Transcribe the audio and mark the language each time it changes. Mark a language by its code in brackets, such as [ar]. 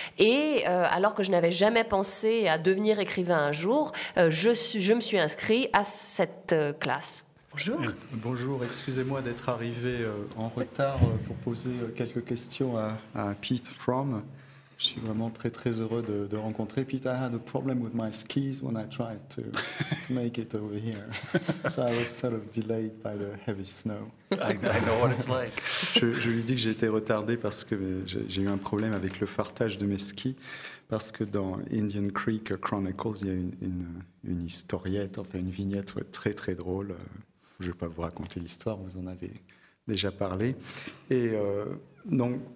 [fr] Et alors que je n'avais jamais pensé à devenir écrivain un jour, je me suis inscrite à cette classe. Bonjour. Bonjour, excusez-moi d'être arrivé en retard pour poser quelques questions à Pete Fromm. Je suis vraiment très très heureux de rencontrer Pete. [en] I had a problem with my skis when I tried to make it over here. So I was sort of delayed by the heavy snow. I know what it's like. [fr] Je lui dis que j'ai été retardé parce que j'ai eu un problème avec le fartage de mes skis. Parce que dans Indian Creek Chronicles, il y a une historiette, enfin une vignette très très drôle. Je ne vais pas vous raconter l'histoire, vous en avez déjà parlé. Et donc...